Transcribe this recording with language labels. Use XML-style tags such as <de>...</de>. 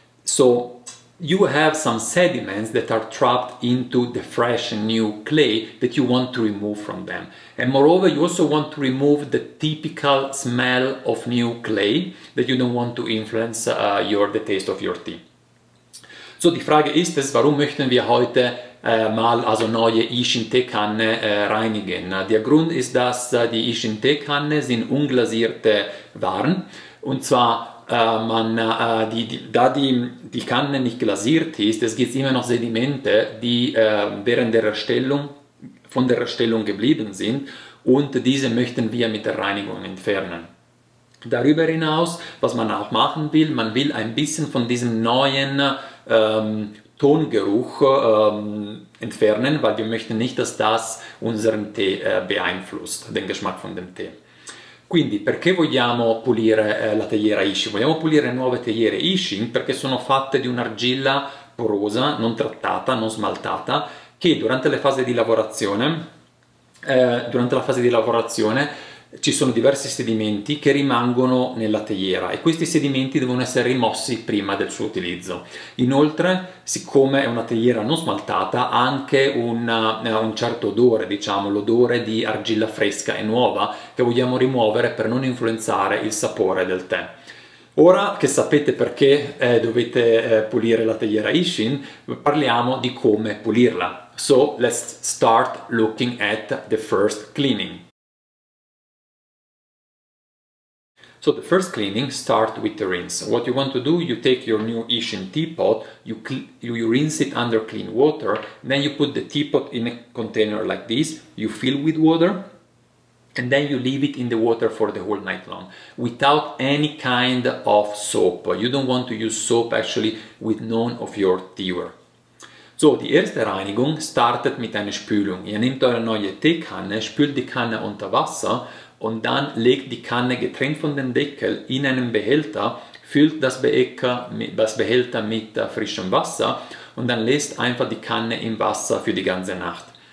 <en>So you have some sediments that are trapped into the fresh and new clay that you want to remove from them. And moreover, you also want to remove the typical smell of new clay that you don't want to influence the taste of your tea.</en> <de>So die Frage ist es, warum möchten wir heute mal also neue YIXING Teekanne reinigen? Der Grund ist, dass die YIXING Teekanne sind unglasierte Waren, und zwar da die Kanne nicht glasiert ist, es gibt immer noch Sedimente, die während der Erstellung, von der Erstellung geblieben sind, und diese möchten wir mit der Reinigung entfernen. Darüber hinaus, was man auch machen will, man will ein bisschen von diesem neuen Tongeruch entfernen, weil wir möchten nicht, dass das unseren Tee beeinflusst, den Geschmack von dem Tee.</de> <it>Quindi, perché vogliamo pulire la teiera YIXING? Vogliamo pulire nuove teiere YIXING perché sono fatte di un'argilla porosa, non trattata, non smaltata, che durante le fasi di lavorazione, ci sono diversi sedimenti che rimangono nella teiera e questi sedimenti devono essere rimossi prima del suo utilizzo. Inoltre, siccome è una teiera non smaltata, ha anche un certo odore, diciamo, l'odore di argilla fresca e nuova che vogliamo rimuovere per non influenzare il sapore del tè. Ora che sapete perché dovete pulire la teiera YIXING, parliamo di come pulirla.</it> <en>So, let's start looking at the first cleaning. So the first cleaning starts with the rinse. What you want to do, you take your new YIXING teapot, you rinse it under clean water, then you put the teapot in a container like this, you fill with water, and then you leave it in the water for the whole night long, without any kind of soap. You don't want to use soap actually with none of your teaware.</en> <de>So die erste Reinigung startet mit einer Spülung. Ihr nehmt eure neue Teekanne, spült die Kanne unter Wasser, und dann legt die Kanne getrennt von dem Deckel in einen Behälter, füllt das Behälter mit frischem Wasser und dann lässt einfach die Kanne im Wasser für die ganze Nacht.</de>